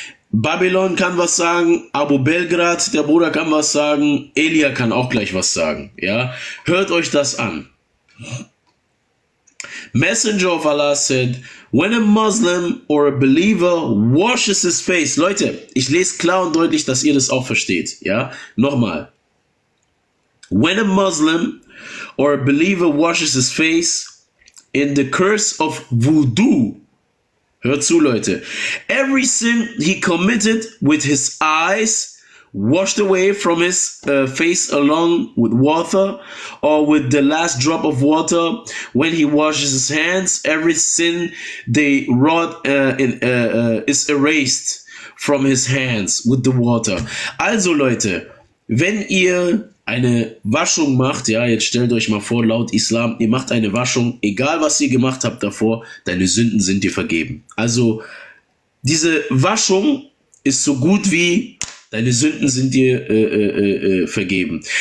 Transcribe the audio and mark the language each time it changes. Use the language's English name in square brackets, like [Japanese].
[German] Babylon kann was sagen, Abu Belgrad, der Bruder kann was sagen, Elia kann auch gleich was sagen, ja. Hört euch das an. [English] Messenger of Allah said, when a Muslim or a believer washes his face. [German] Leute, ich lese klar und deutlich, dass ihr das auch versteht, ja. Nochmal. [English] When a Muslim or a believer washes his face in the curse of wudu. [German] Hört zu, Leute. [English] Every sin he committed with his eyes washed away from his face along with water or with the last drop of water when he washes his hands, every sin they wrought is erased from his hands with the water. [German] Also, Leute, wenn ihr eine Waschung macht, ja, jetzt stellt euch mal vor, laut Islam, ihr macht eine Waschung, egal was ihr gemacht habt davor, deine Sünden sind dir vergeben. Also, diese Waschung ist so gut wie deine Sünden sind dir vergeben.